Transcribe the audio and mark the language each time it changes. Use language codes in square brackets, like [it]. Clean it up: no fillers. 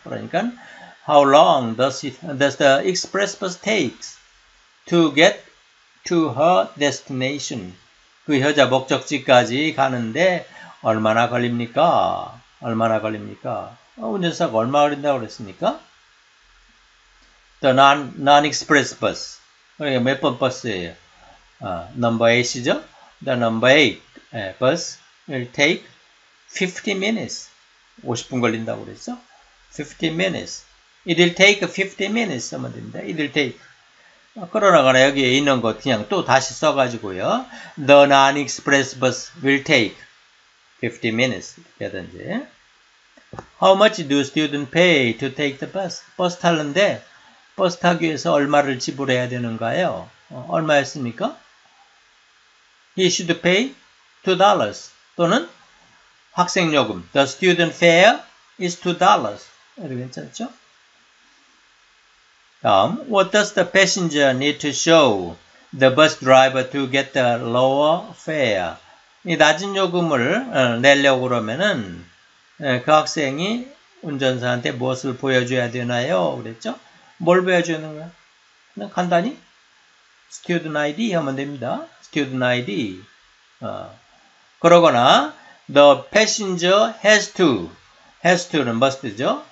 [ko] 그러니까 [en] How long does the express bus take to get to her destination? [ko] 그 여자 목적지까지 가는데 얼마나 걸립니까? 얼마나 걸립니까? 운전사가 얼마 걸린다고 그랬습니까? [en] The non-express bus. [ko] 그러니까 몇번 버스예요? [en] Number 8이죠? The number 8 bus will take 50 minutes. [ko] 50분 걸린다고 그랬죠? [en] 50 minutes. It will take 50 minutes. [ko] 하면 됩니다. [en] It will take. [ko] 그러나 여기에 있는 거 그냥 또 다시 써가지고요. [en] The non-express bus will take 50 minutes. [ko] 이렇게 하든지. [en] How much do students pay to take the bus? [ko] 버스 타는데 버스 타기 위해서 얼마를 지불해야 되는가요? 얼마였습니까? [en] He should pay $2. [ko] 또는 학생요금. [en] The student fare is $2. [ko] 이렇게 괜찮죠? [en] 다음, What does the passenger need to show the bus driver to get the lower fare? [ko] 이 낮은 요금을 내려고 그러면은 그 학생이 운전사한테 무엇을 보여줘야 되나요? 그랬죠? 뭘 보여주는 거야? 그냥 간단히 Student ID 하면 됩니다. [en] Student ID. [ko] 그러거나 [en] The passenger has to는 must죠.